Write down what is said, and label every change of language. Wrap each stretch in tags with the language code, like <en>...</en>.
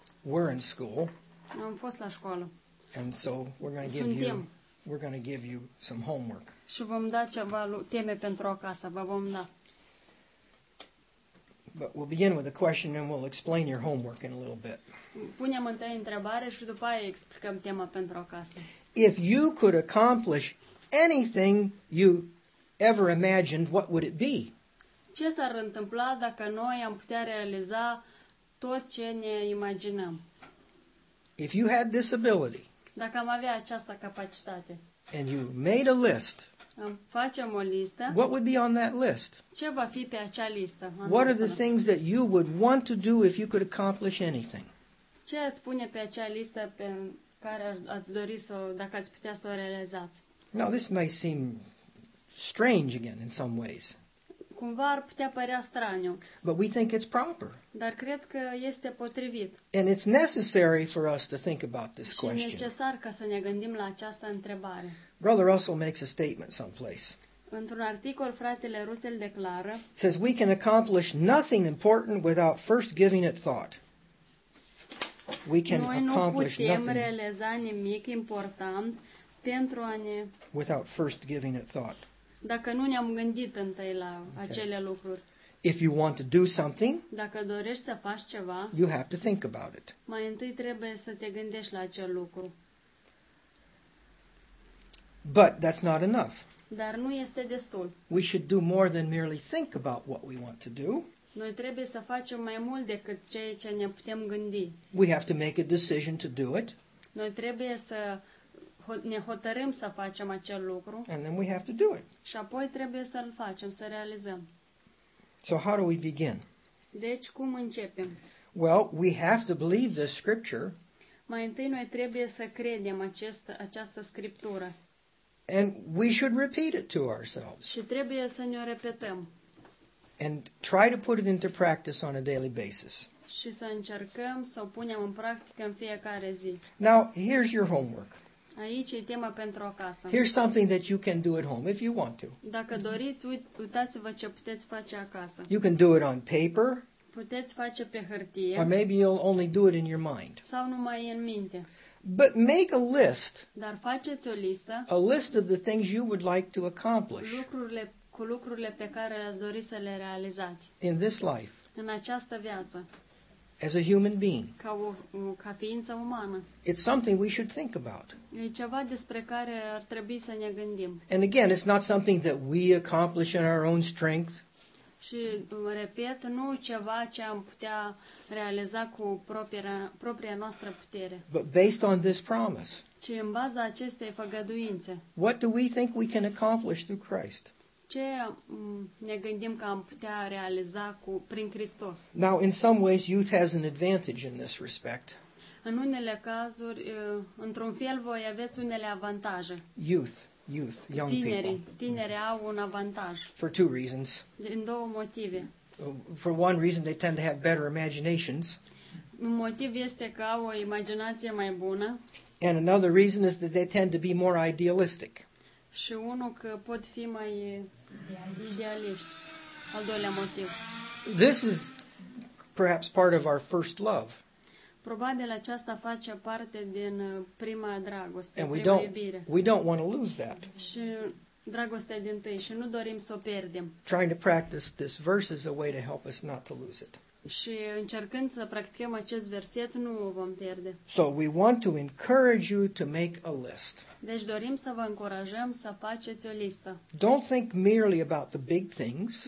<en>We're in school.</en> <ro>Am fost la școală.</ro> <en>And so we're going to give you some homework.</en> <ro>Și vom da ceva teme pentru acasă, vă vom da.</ro> <en>But we'll begin with a question and we'll explain your homework in a little bit.</en> <ro>Punem întâi întrebare și după aia explicăm tema pentru acasă.</ro> <en>If you could accomplish anything you ever imagined, what would it be?</en> <ro>Ce s-ar întâmpla dacă noi am putea realiza tot ce ne imaginăm?</ro> <en>If you had this ability,</en> <ro>dacă am avea această capacitate,</ro> <en>and you made a list,</en> <ro>facem o listă,</ro> <en>what would be on that list?</en> <ro>Ce va fi pe acea listă?</ro> <en>What are the things that you would want to do if you could accomplish anything?</en> <ro>Ce ați pune pe acea listă pe care ați dori să, dacă ați putea să o realizați?</ro> <en>Now this may seem strange again in some ways.</en> <ro>Cumva ar putea părea straniu.</ro> <en>But we think it's proper.</en> <ro>Dar cred că este potrivit.</ro> <en>And it's necessary for us to think about this question.</en> <ro>Și necesar ca să ne gândim la această întrebare.</ro> <en>Brother Russell makes a statement someplace.</en> <ro>Într-un articol, fratele Russell declară,</ro> <en>says we can accomplish nothing important without first giving it thought. We can accomplish nothing.</en> <ro>Noi nu putem realiza nimic important pentru a ne...</ro> <en>without first giving it thought.</en> <ro>Dacă nu ne-am gândit întâi la acele lucruri.</ro> <en>If you want to do something,</en> <ro>dacă dorești să faci ceva,</ro> <en>you have to think about it.</en> <ro>Mai întâi trebuie să te gândești la acel lucru.</ro> <en>But that's not enough.</en> <ro>Dar nu este destul.</ro> <en>We should do more than merely think about what we want to do.</en> <ro>Noi trebuie să facem mai mult decât ceea ce ne putem gândi.</ro> <en>We have to make a decision to do it.</en> <ro>Noi trebuie să ne hotărâm să facem acel lucru.</ro> <en>And then we have to do it.</en> <ro>Și apoi trebuie să-l facem, să realizăm.</ro> <en>So how do we begin?</en> <ro>Deci cum începem?</ro> <en>Well, we have to believe this scripture.</en> <ro>Mai întâi noi trebuie să credem această scriptură.</ro> <en>And we should repeat it to ourselves.</en> <ro>Și trebuie să ne-o repetăm.</ro> <en>And try to put it into practice on a daily basis.</en> <ro>Și să încercăm să o punem în practică în fiecare zi.</ro> <en>Now, here's your homework.</en> <ro>Aici e tema pentru acasă.</ro> <en>Here's something that you can do at home if you want to.</en> <ro>Dacă doriți, uitați-vă ce puteți face acasă.</ro> <en>You can do it on paper.</en> <ro>Puteți face pe hârtie.</ro> <en>Or maybe you'll only do it in your mind.</en> <ro>Sau numai în minte.</ro> <en>But make a list.</en> <ro>Dar faceți o listă.</ro> <en>A list of the things you would like to accomplish.</en> <ro>Lucrurile pe care ați dori să le realizați.</ro> <en>In this life.</en> <ro>În această viață.</ro> <en>As a human being.</en> <ro>Ca ființă umană.</ro> <en>It's something we should think about.</en> <ro>E ceva despre care ar trebui să ne gândim.</ro> <en>And again, it's not something that we accomplish in our own strength.</en> <ro>Și repet, nu ceva ce am putea realiza cu propria noastră putere.</ro> <en>But based on this promise.</en> <ro>Ci în baza acestei făgăduințe.</ro> <en>What do we think we can accomplish through Christ?</en> <ro>Ce ne gândim că am putea realiza prin Hristos?</ro> <en>Now, in some ways, youth has an advantage in this respect.</en> <ro>În unele cazuri, într-un fel, voi aveți unele avantaje.</ro> <en>Youth, young</en> <ro>tinerii,</ro> <en>people.</en> <ro>Tineri au un avantaj.</ro> <en>For two reasons.</en> <ro>Din două motive.</ro> <en>For one reason, they tend to have better imaginations.</en> <ro>Un motiv este că au o imaginație mai bună.</ro> <en>And another reason is that they tend to be more idealistic.</en> <ro>Și unul că pot fi mai idealiști. Al doilea motiv.</ro> <en>This is perhaps part of our first love.</en> <ro>Probabil aceasta face parte din prima dragoste,</ro> <en>and</en> <ro>prima iubire.</ro> <en>We don't want to lose that.</en> <ro>Și dragostea din tâi și nu dorim să o pierdem.</ro> <en>Trying to practice this verse is a way to help us not to lose it.</en> <ro>Și încercând să practicăm acest verset, nu o vom pierde.</ro> <en>So we want to encourage you to make a list.</en> <ro>Deci dorim să vă încurajăm să faceți o listă.</ro> <en>Don't think merely about the big things.</en>